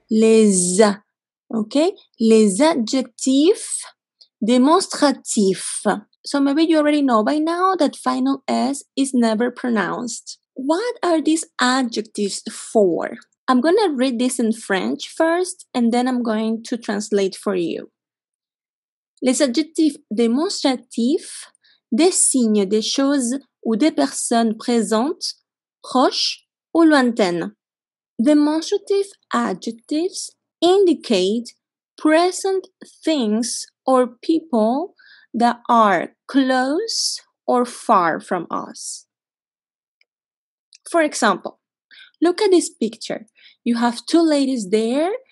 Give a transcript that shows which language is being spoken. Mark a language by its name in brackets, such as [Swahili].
[French] Les. Okay. Les adjectifs démonstratifs. [English] So maybe you already know by now that final S is never pronounced. What are these adjectives for? I'm going to read this in French first and then I'm going to translate for you. [French] Les adjectifs démonstratifs désignent des choses ou des personnes présentes, proches ou lointaines. [English] Demonstrative adjectives indicate present things or people that are close or far from us. For example, look at this picture. You have two ladies there.